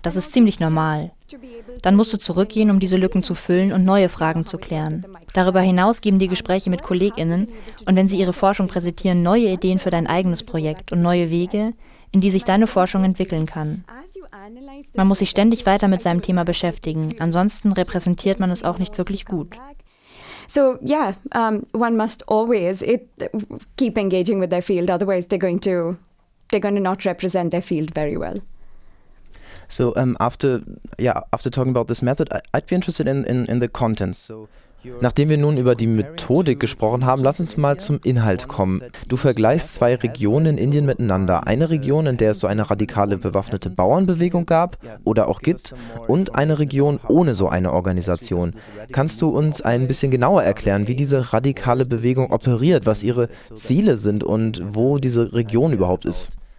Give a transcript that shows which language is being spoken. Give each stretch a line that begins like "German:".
German: Das ist ziemlich normal. Dann musst du zurückgehen, um diese Lücken zu füllen und neue Fragen zu klären. Darüber hinaus geben die Gespräche mit KollegInnen und wenn sie ihre Forschung präsentieren, neue Ideen für dein eigenes Projekt und neue Wege, in die sich deine Forschung entwickeln kann. Man muss sich ständig weiter mit seinem Thema beschäftigen, ansonsten repräsentiert man es auch nicht wirklich gut.
English: So yeah, one must always keep engaging with their field, otherwise they're going to not represent their field very well. So after talking about this method, I'd be interested in the contents. So
German: nachdem wir nun über die Methodik gesprochen haben, lass uns mal zum Inhalt kommen. Du vergleichst 2 Regionen in Indien miteinander. Eine Region, in der es so eine radikale bewaffnete Bauernbewegung gab oder auch gibt, und eine Region ohne so eine Organisation. Kannst du uns ein bisschen genauer erklären, wie diese radikale Bewegung operiert, was ihre Ziele sind und wo diese Region überhaupt ist?